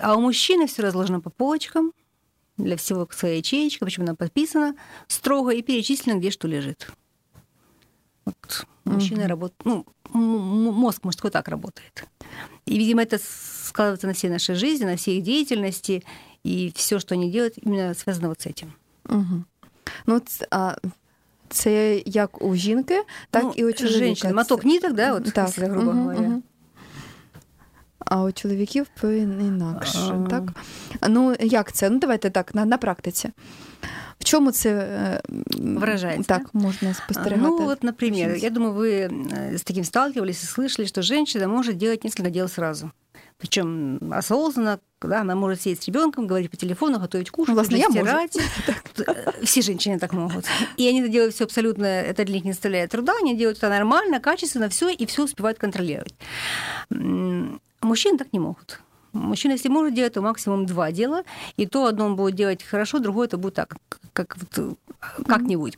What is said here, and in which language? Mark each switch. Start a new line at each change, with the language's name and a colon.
Russian: А у мужчины все разложено по полочкам, для всего своя ячеечка, причем она подписана строго и перечислено, где что лежит. Вот. Мужчина работает, ну, мозг мужской так работает. И, видимо, это складывается на всей нашей жизни, на всей их деятельности, и все, что они делают, именно связано вот с этим. Угу.
Ukrainian: Ну, це як у жінки, так ну, і у чоловіка.
Russian: Женщина. Моток ниток, да, вот, так, если, грубо говоря.
Ukrainian: А у чоловіків інакше, так? Ну, як це? Ну, давайте так, на практиці. В чому це вражається? Так, можна спостерігати. Ну, от, наприклад, я думаю, ви з таким сталкувалися, слышали, що жінка може робити кілька справ одразу.
Russian: Причем осознанно, да, она может сидеть с ребенком, говорить по телефону, готовить кушать, ну, стирать. Я могу. Все женщины так могут. И они это делают все абсолютно, это для них не составляет труда, они делают это нормально, качественно, все, и все успевают контролировать. Мужчины так не могут. Мужчина, если может делать, то максимум два дела, и то одно он будет делать хорошо, другое это будет так, как вот, как-нибудь.